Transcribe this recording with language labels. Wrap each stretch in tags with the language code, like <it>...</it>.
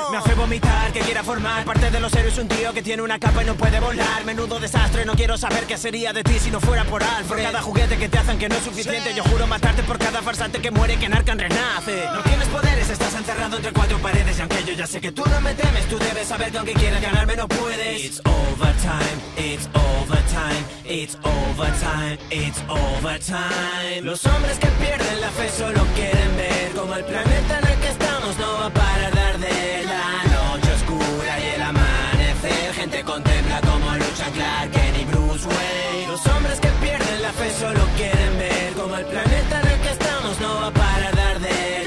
<es>Me hace vomitar, que quiera formar parte de los héroes, un tío que tiene una capa y no puede volar. Menudo desastre, no quiero saber qué sería de ti si no fuera por Alfred. Por cada juguete que te hacen que no es suficiente, yo juro matarte por cada farsante que muere, que en Arkham renace. No tienes poderes, estás encerrado entre cuatro paredes. Y aunque yo ya sé que tú no me temes, tú debes saber que aunque quieras ganarme no puedes.</es> <en>It's overtime, it's overtime, it's overtime, it's overtime.</en> <es>Los hombres que pierden la fe solo quieren ver como el planeta en el que estamos no va a parar de arder. La noche oscura y el amanecer, gente contempla como lucha Clark Kent y Bruce Wayne. Los hombres que pierden la fe solo quieren ver como el planeta en el que estamos no va a parar de arder.</es>